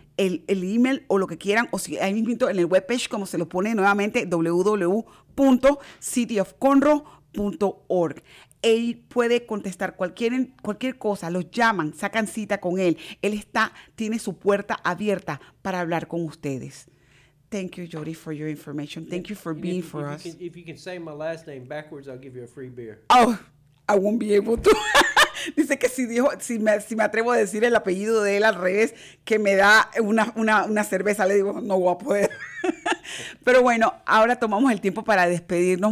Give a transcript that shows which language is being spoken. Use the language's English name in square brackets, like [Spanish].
[Spanish] el email o lo que quieran, o si hay un invito en el webpage, como se lo pone nuevamente, www.cityofconroe.org. Él puede contestar cualquier cosa, los llaman, sacan cita con él. Él está, tiene su puerta abierta para hablar con ustedes. [English] Thank you, Jody, for your information. Thank you for being for us. If you can say my last name backwards, I'll give you a free beer. Oh, I won't be able to. [Spanish] Dice que si me atrevo a decir el apellido de él al revés, que me da una cerveza, le digo, no voy a poder. Pero bueno, ahora tomamos el tiempo para despedirnos.